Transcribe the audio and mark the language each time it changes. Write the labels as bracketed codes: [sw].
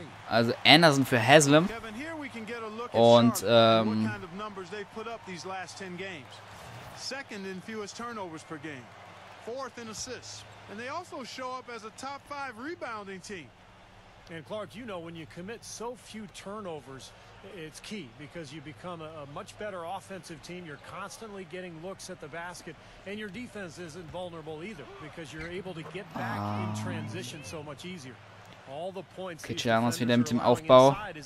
[de] Also Anderson für Haslem und [en] second in fewest turnovers per game, fourth in assists, and they also show up as a top 5 rebounding team. And Clark, you know, when you commit so few turnovers, it's key because you become a much better offensive team. You're constantly getting looks at the basket, and your defense isn't vulnerable either because you're able to get back in transition so much easier. [de] Okay, schauen wir uns wieder mit dem Aufbau.